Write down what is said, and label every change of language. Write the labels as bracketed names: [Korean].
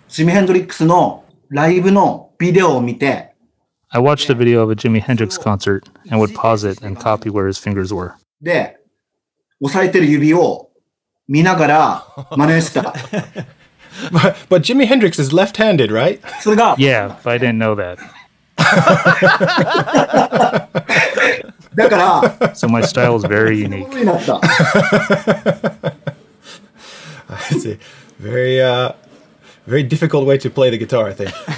[Japanese] Jimi Hendrix のライブのビデオを見て。 [English] I watched a video of a Jimi Hendrix concert and would pause it and copy where his fingers were. [Japanese] で、押さえてる指を見ながら真似した。 [English] But Jimi Hendrix is left-handed, right? [Japanese] それが。 [English] Yeah, but I didn't know that. [Japanese] だから。 [English] So my style is very unique. It's a very, very difficult way to play the guitar, I think.